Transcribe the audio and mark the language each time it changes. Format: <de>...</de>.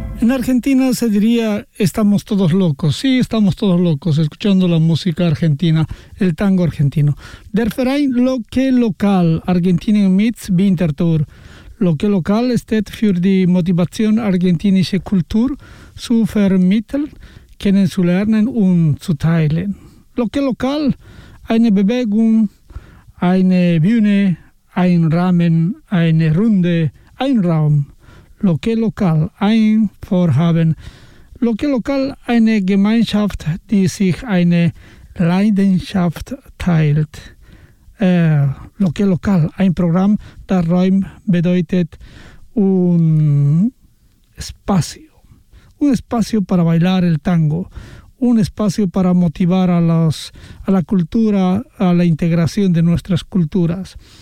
<es>Argentina se diría, estamos todos locos. Sí, estamos todos locos escuchando la música argentina, el tango argentino.</es> <de>Der Verein Loque Local, Argentinien mit Wintertour. Loque Local steht für die Motivation argentinische Kultur zu vermitteln, kennenzulernen und zu teilen. Loque Local, eine Bewegung, eine Bühne, ein Rahmen, eine Runde, ein Raum. Loque Local, ein Vorhaben. Loque Local, eine Gemeinschaft, die sich eine Leidenschaft teilt.</de> <es>Loque Local,</es> <de>ein Programm, das Räum bedeutet</de> <es>un espacio para bailar el tango, un espacio para motivar a la cultura, a la integración de nuestras culturas.</es>